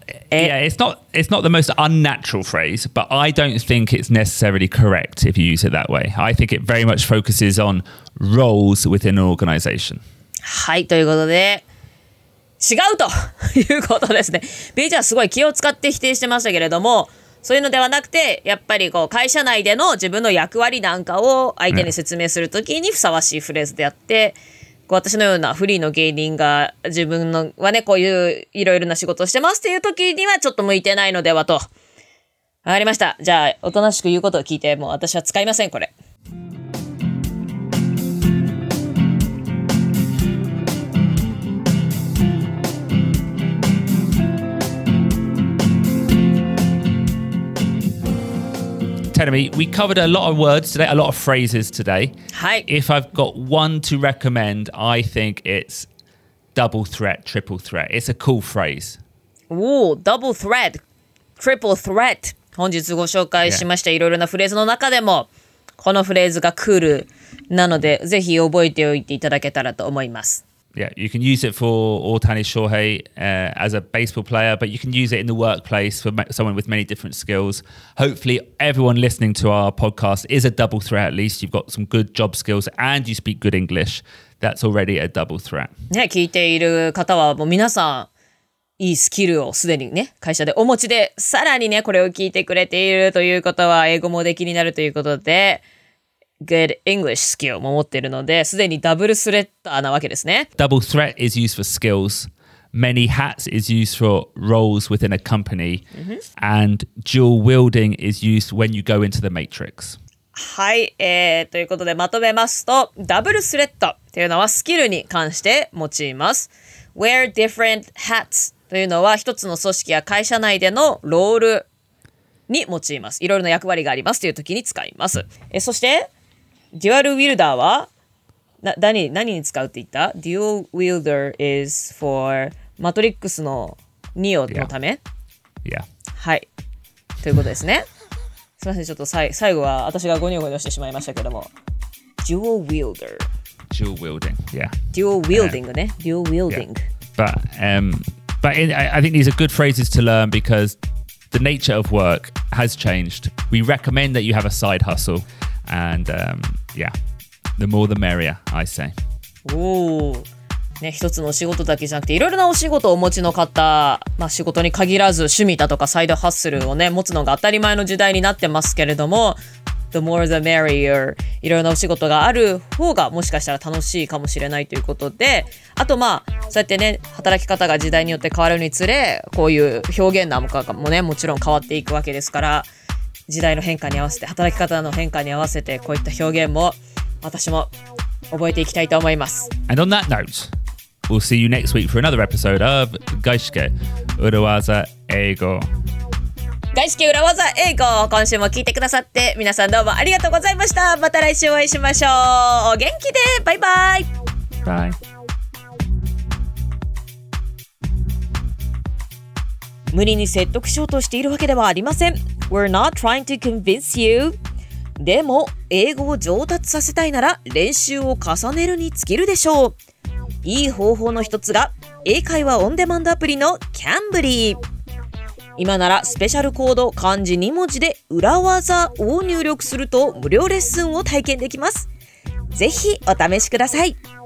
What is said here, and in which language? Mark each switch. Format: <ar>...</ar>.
<en>It's not the most unnatural phrase, but I don't think it's necessarily correct if you use it that way. I think it very much focuses on roles within an organization.</en> <ja>はい、ということで。違うということですね。BJ はすごい気を使って否定してましたけれども、そういうのではなくて、やっぱりこう会社内での自分の役割なんかを相手に説明するときにふさわしいフレーズであって、こう私のようなフリーの芸人が自分のはね、こういういろいろな仕事をしてますっていうときにはちょっと向いてないのではと。わかりました。じゃあ、おとなしく言うことを聞いて、もう私は使いません、これ。</ja> <en>Academy. We covered a lot of words today, a lot of phrases today. Hi. If I've got one to recommend, I think it's double threat, triple threat. It's a cool phrase. Ooh, double threat, triple threat.</en> <ja>本日ご紹介しました、yeah. いろいろなフレーズの中でもこのフレーズがクールなのでぜひ覚えておいていただけたらと思います。</ja> <en>Yeah, you can use it for Ohtani Shohei as a baseball player, but you can use it in the workplace for someone with many different skills. Hopefully, everyone listening to our podcast is a double threat at least. You've got some good job skills and you speak good English. That's already a double threat.</en> <ja>ね、聞いている方はもう皆さん、いいスキルをすでにね、会社でお持ちで、さらにね、これを聞いてくれているということは、英語もできになるということで、</ja> <en>Good English skill</en> <ja>も持っているので、すでにダブルスレッダーなわけですね。</ja> <en>Double threat is used for skills, many hats is used for roles within a company, and dual wielding is used when you go into the matrix.</en> <ja>はい、ということでまとめますと、ダブルスレッドというのはスキルに関して用います。</ja> <en>Wear different hats</en> <ja>というのは一つの組織や会社内でのロールに用います。いろいろな役割がありますという時に使います。そして、デュアルウィルダーは何に使うって言った？</ja> <en>Dual wielder is for</en> <ja>マトリックスのニオのため。</ja> <en>Yeah.</en> <ja>はい。ということですね。すみません、ちょっと最後は私がゴニョゴニョしてしまいましたけども。</ja> <en>Dual wielder。 Dual wielding, yeah. Dual wielding, ね。Dual wielding.、 Yeah. But I think these are good phrases to learn because the nature of work has changed. We recommend that you have a side hustle. And、yeah, the more the merrier, I say. Ooh.</en> <ja>ね、一つの仕事だけじゃなくていろいろなお仕事をお持ちの方、まあ、仕事に限らず趣味だとかサイドハッスルをね持つのが当たり前の時代になってますけれども</ja> <en>The more the merrier</en> <ja>いろいろなお仕事がある方がもしかしたら楽しいかもしれないということであとまあそうやってね働き方が時代によって変わるにつれこういう表現なんかもねもちろん変わっていくわけですから時代の変化に合わせて働き方の変化に合わせてこういった表現も私も覚えていきたいと思います</ja> <en>And on that noteWe'll see you next week for another episode of Gaishike Urawaza Eigo. Gaishike Urawaza Eigo.</en> <ja>今週も聞いてくださって皆さんどうもありがとうございました。また来週お会いしましょう。お元気で。バイバイ。バイ。無理に説得しようとしているわけではありません。</ja> <en>We're not trying to convince you.</en> <ja>でも英語を上達させたいなら練習を重ねるに尽きるでしょう。いい方法の一つが英会話オンデマンドアプリのキャンブリー今ならスペシャルコード漢字2文字で裏技を入力すると無料レッスンを体験できますぜひお試しください</ja>